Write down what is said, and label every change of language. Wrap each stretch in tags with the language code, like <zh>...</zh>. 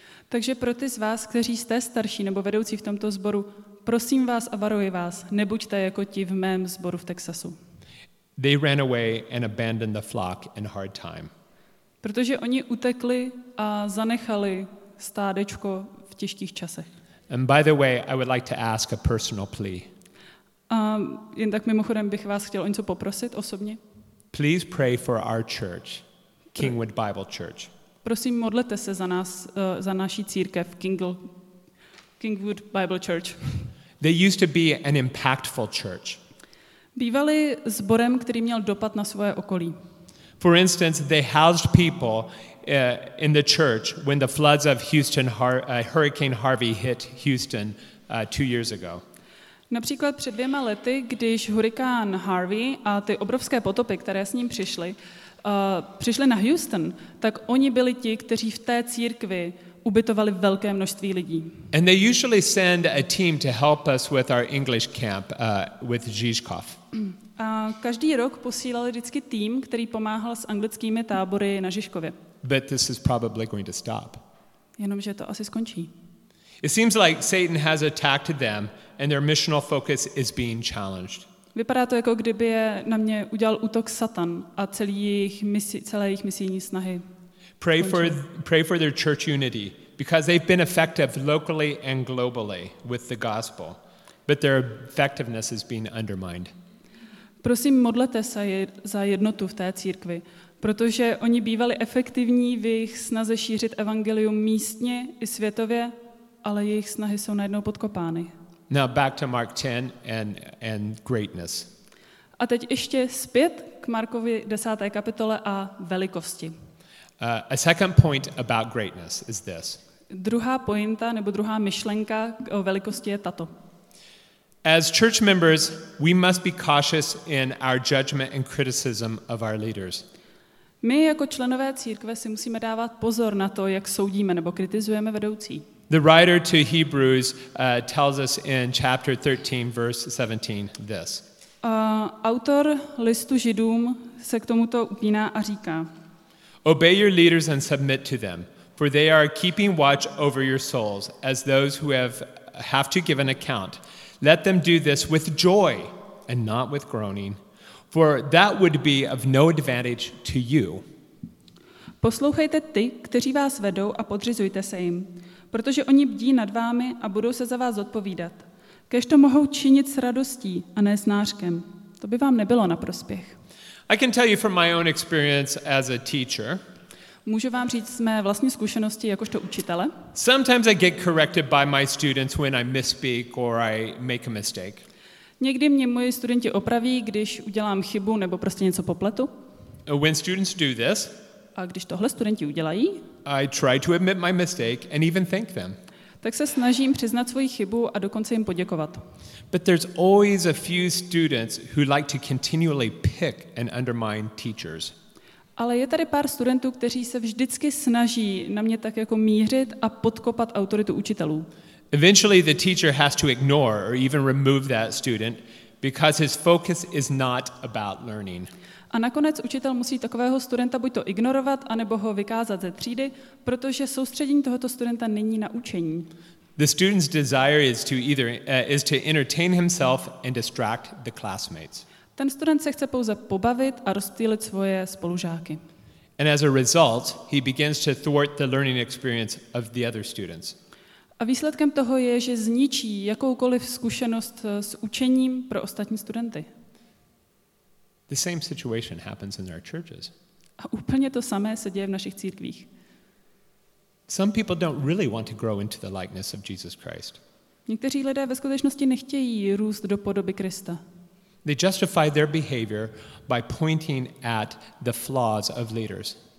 <cs>Takže pro ty z vás, kteří jste starší nebo vedoucí v tomto sboru, prosím vás a varuji vás, nebuďte jako ti v mém sboru v Texasu.</cs> <en>They ran away and abandoned the flock in hard time.</en> <cs>Protože oni utekli a zanechali stádečko v těžkých časech.</cs> <en>And by the way, I would like to ask a personal plea.</en> <cs>Jen tak mimochodem bych vás chtěl o něco poprosit osobně.</cs> <en>Please pray for our church, Kingwood Bible Church.</en> <cs>Prosím, modlete se za nás, za naši církev, Kingwood Bible Church.</cs> <en>They used to be an impactful church.</en> <cs>Bývali sborem, který měl dopad na svoje okolí.</cs> <en>For instance, they housed people in the church when the floods of Houston, Hurricane Harvey hit Houston 2 years ago.</en> <cs>Například před dvěma lety, když hurikán Harvey a ty obrovské potopy, které s ním přišly, přišli na Houston, tak oni byli ti, kteří v té církvi ubytovali velké množství lidí.</cs> <en>And they usually send a team to help us with our English camp with Žižkov.</en> <cs>A každý rok posílali vždycky tým, který pomáhal s anglickými tábory na Žižkově.</cs> <en>But this is probably going to stop.</en> <cs>Jenomže to asi skončí.</cs> <en>It seems like Satan has attacked them and their missional focus is being challenged.</en> <cs>Vypadá to, jako kdyby je na mě udělal útok Satan a celé jejich misijní snahy.</cs> <en>Pray for their church unity because they've been effective locally and globally with the gospel, but their effectiveness is being undermined.</en> <cs>Prosím, modlete se za jednotu v té církvi, protože oni bývali efektivní v jejich snaze šířit evangelium místně i světově, ale jejich snahy jsou najednou podkopány.</cs> <en>Now back to Mark 10 and greatness.</en> <cs>A teď ještě zpět k Markovi 10. kapitole a velikosti.</cs> <en>A second point about greatness is this.</en> <cs>Druhá pointa nebo druhá myšlenka o velikosti je tato.</cs> <en>As church members, we must be cautious in our judgment and criticism of our leaders.</en> <cs>My jako členové církve si musíme dávat pozor na to, jak soudíme nebo kritizujeme vedoucí.</cs> <en>The writer to Hebrews tells us in chapter 13, verse 17 this.</en> <cs>Autor listu Židům se k tomuto upíná a říká.</cs> <en>Obey your leaders and submit to them, for they are keeping watch over your souls as those who have to give an account. Let them do this with joy and not with groaning, for that would be of no advantage to you.</en> <cs>Poslouchejte ty, kteří vás vedou a podřizujte se jim, protože oni bdí nad vámi a budou se za vás odpovídat. Kéž to mohou činit s radostí a ne s nářkem. To by vám nebylo na prospěch.</cs> <en>I can tell you from my own experience as a teacher.</en> <cs>Můžu vám říct z mé vlastní zkušenosti jakožto učitele.</cs> <en>Sometimes I get corrected by my students when I misspeak or I make a mistake.</en> <cs>Někdy mě moji studenti opraví, když udělám chybu nebo prostě něco popletu.</cs> <en>When students do this,</en> <cs>a když tohle studenti udělají,</cs> <en>I try to admit my mistake and even thank them.</en> <cs>tak se snažím přiznat svoji chybu a dokonce jim poděkovat.</cs> <en>But there's always a few students who like to continually pick and undermine teachers.</en> <cs>Ale je tady pár studentů, kteří se vždycky snaží na mě tak jako mířit a podkopat autoritu učitelů.</cs> <en>Eventually the teacher has to ignore or even remove that student because his focus is not about learning.</en> <cs>A nakonec učitel musí takového studenta buď to ignorovat, anebo ho vykázat ze třídy, protože soustředění tohoto studenta není na učení.</cs> <en>The student's desire is to either is to entertain himself and distract the classmates.</en> <cs>Ten student se chce pouze pobavit a rozptýlit svoje spolužáky.</cs> <en>And as a result, he begins to thwart the learning experience of the other students.</en> <cs>A výsledkem toho je, že zničí jakoukoliv zkušenost s učením pro ostatní studenty.</cs> <en>The same situation happens in our churches.</en> <cs>A úplně to samé se děje v našich církvích.</cs> <en>Some people don't really want to grow into the likeness of Jesus Christ.</en> <cs>Někteří lidé ve skutečnosti nechtějí růst do podoby Krista.</cs> <en>They justify their behavior by pointing at the flaws of leaders.</en>